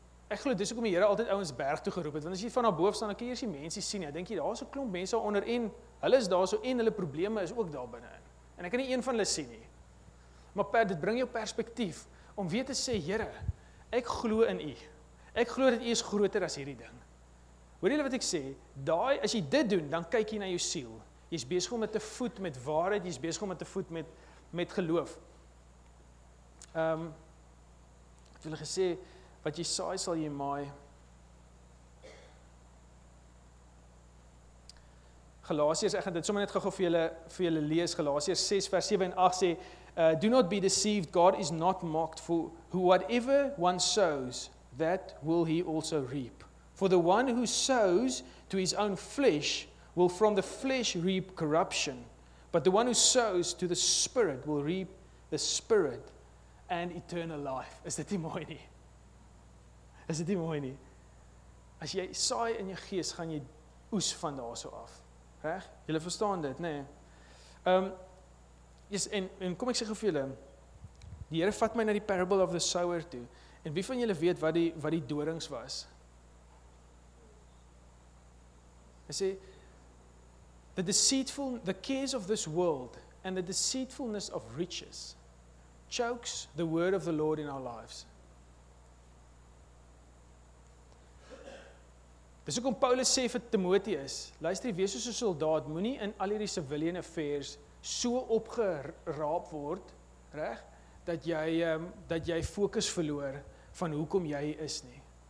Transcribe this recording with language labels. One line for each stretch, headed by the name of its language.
Afrikaans: Ek geloof, dis ook om die Here altyd ouens berg toe geroep het, want as jy van daar boven staan, dan kan jy die mense sien, dan denk jy, daar is een klomp mense onder en hulle is daar so en hulle probleme is ook daar binnen. En ek kan nie een van hulle sien nie. Maar dit bring jou perspektief om weer te sê, Here, ek glo in u. Ek glo dat u is groter as hierdie ding. Hoor julle wat ek sê? Daai, as jy dit doen, dan kyk jy na jou siel. Jy is besig om met te voet met waarheid, jy is besig om met te voet met geloof. Ek wil gesê, wat jy saai sal jy maai. Galasiërs, ek gaan dit sommer net gou vir julle lees, Galasiërs 6 vers 7 en 8 sê,
English: do not be deceived, God is not mocked, for whatever one sows, that will he also reap. For the one who sows to his own flesh, will from the flesh reap corruption, but the one who sows to the Spirit, will reap the Spirit and eternal life.
Afrikaans: Is dit nie mooi nie? Is dit nie mooi nie? As jy saai in jou gees, gaan jy oes van daar so af. Reg? Julle verstaan dit, nee? En kom ek sê vir julle, die Here vat my na die parable of the sower toe, en wie van julle weet wat die dorings was? Hy sê,
English: the cares of this world and the deceitfulness of riches chokes the word of the Lord in our lives.
Afrikaans: Dis ook om Paulus sê vir Timotheus, luister, wees soos 'n soldaat, moenie in al hierdie civilian affairs so opgeraap word, reg, dat jy fokus verloor van hoekom jy is nie.